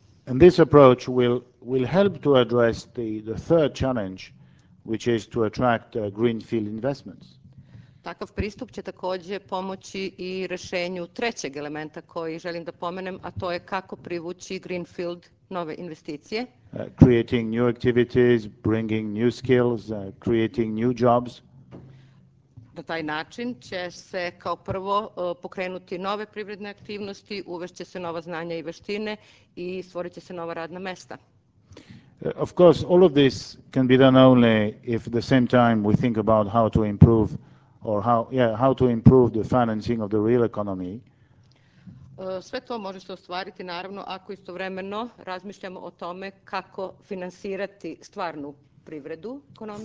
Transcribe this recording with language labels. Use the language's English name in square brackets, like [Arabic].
[English] And this approach will help to address the third challenge, which is to attract greenfield investments. [Serbian] Takav pristup će takođe pomoći i rešenju trećeg elementa koji želim da pomenem, a to je kako privući greenfield nove investicije. [English] Creating new activities, bringing new skills, creating new jobs. [Serbian] Na taj način će se kao prvo pokrenuti nove privredne aktivnosti, uvešće se nova znanja i veštine i stvorit će se nova radna mesta. [English] Of course, all of this can be done only if at the same time we think about how to improve or how to improve the financing of the real economy. [Serbian] Sve to može se ostvariti, naravno, ako istovremeno razmišljamo o tome kako finansirati stvarnu privredu, ekonomiju.